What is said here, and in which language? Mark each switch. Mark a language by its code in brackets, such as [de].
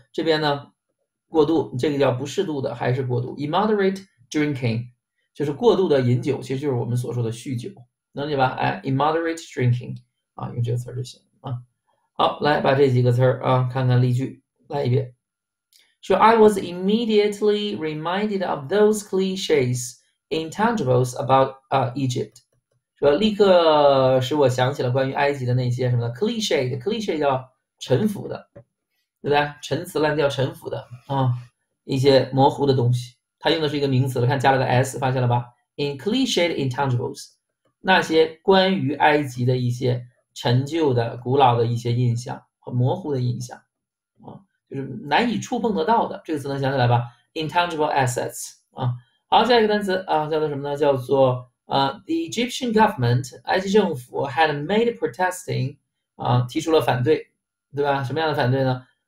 [zh] 这边呢，过度，这个叫不适度的，还是过度？ [en] immoderate drinking [zh] 就是过度的饮酒，其实就是我们所说的酗酒，能理解吧？哎， [en] immoderate drinking [zh] 啊，用这个词儿就行啊。好，来把这几个词儿啊，看看例句，来一遍。 [en] 说 I was immediately reminded of those cliches。 Intangibles about Egypt， [zh] 说立刻使我想起了关于埃及的那些什么的 cliché 叫陈腐的，对不对？陈词滥调、陈腐的一些模糊的东西。他用的是一个名词，看加了个 s，发现了吧？ [en] In cliché intangibles， [zh] 那些关于埃及的一些陈旧的、古老的一些印象和模糊的印象就是难以触碰得到的。这个词能想起来吧？ [en] Intangible assets [zh] 好，下一个单词啊，叫做什么呢？叫做 [en] the Egyptian government， [zh] 埃及政府 [en] had made protesting， [zh] 提出了反对，对吧？什么样的反对呢？